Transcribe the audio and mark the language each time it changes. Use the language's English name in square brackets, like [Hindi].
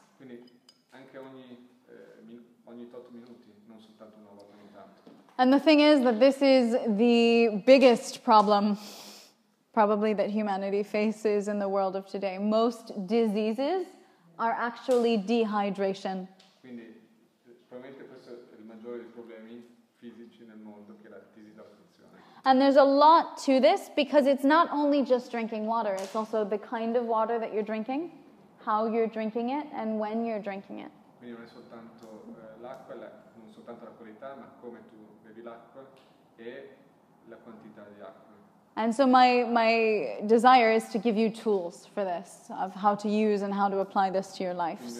[Italian] Quindi anche ogni tot minuti, non soltanto una volta ogni tanto. [English] And the thing is that this is the biggest problem probably that humanity faces in the world of today. Most diseases are actually dehydration. [Italian] Quindi probabilmente questo è il maggiore dei problemi fisici nel mondo, che è la disidratazione. [English] And there's a lot to this because it's not only just drinking water, it's also the kind of water that you're drinking, how you're drinking it, and when you're drinking it. [Italian] Quindi non è soltanto l'acqua, non soltanto la qualità, ma come tu bevi l'acqua e la quantità di acqua. [English] And so my desire is to give you tools for this, of how to use and how to apply this to your life.